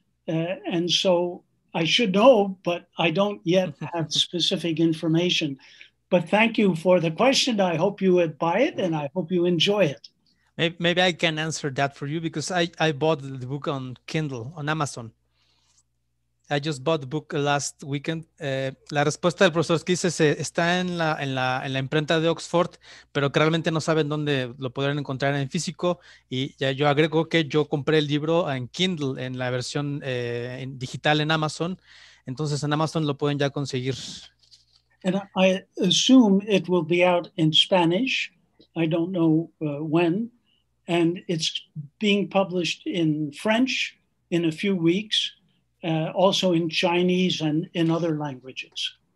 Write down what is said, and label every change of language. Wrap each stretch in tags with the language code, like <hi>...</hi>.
<en>And so I should know, but I don't yet have specific information. But thank you for the question. I hope you would buy it, and I hope you enjoy it. Maybe I can answer that for you, because I bought the book on Kindle, on Amazon. I just bought the book last weekend.</en> <es>La respuesta del profesor Esquiz está en la imprenta de Oxford, pero claramente no saben dónde lo podrán encontrar en físico. Y ya yo agrego que yo compré el libro en Kindle, en la versión digital en Amazon. Entonces en Amazon lo pueden ya conseguir.</es> <en>And I assume it will be out in Spanish. I don't know when. And it's being published in French in a few weeks. Also in Chinese and in other languages.</en>